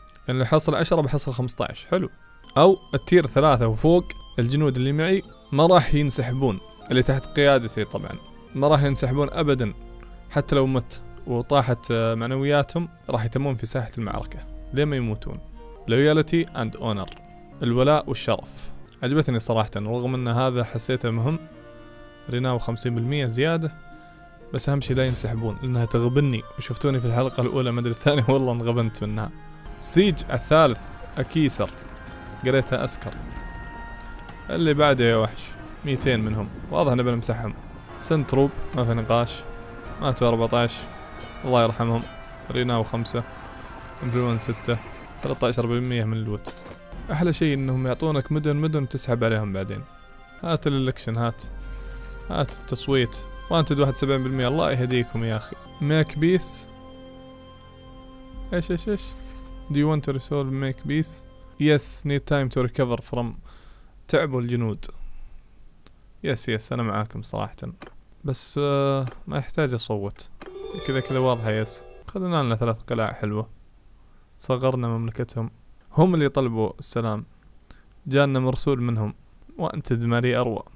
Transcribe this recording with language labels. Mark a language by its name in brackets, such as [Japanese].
[Arabic] اللي حصل 10 بحصل 15. حلو. او التير 3 وفوق الجنود اللي معي ما راح ينسحبون. اللي تحت قيادتي طبعا ما راح ينسحبون ابدا، حتى لو مت وطاحت معنوياتهم راح يتمون في ساحة المعركة ليه ما يموتون. [English] Loyalty and honor، [Arabic] الولاء والشرف. عجبتني صراحة، رغم ان هذا حسيته مهم، ريناو 50% زيادة، بس اهم شيء لا ينسحبون لانها تغبني، وشفتوني في الحلقة الاولى مدري الثانية والله انغبنت منها. سيج الثالث اكيسر، قريتها اسكر. اللي بعده يا وحش 200 منهم، واضح ان بنمسحهم. سنتروب ما في نقاش، ماتوا 14 الله يرحمهم، ريناو 5، انفلون 6، 13% من الوت. احلى شيء انهم يعطونك مدن تسحب عليهم بعدين. هات الالكشن، هات التصويت، وانتد 71%، الله يهديكم يا اخي. ميك بيس، ايش [English] do you want to resolve make peace؟ yes need time to recover from [Arabic] تعبوا الجنود. yes انا معاكم صراحة، بس ما يحتاج اصوت كذا واضحة. yes خذنا لنا 3 قلاع حلوة، صغرنا مملكتهم. هم اللي طلبوا السلام، جاءنا مرسول منهم، وانتد ماري اروى.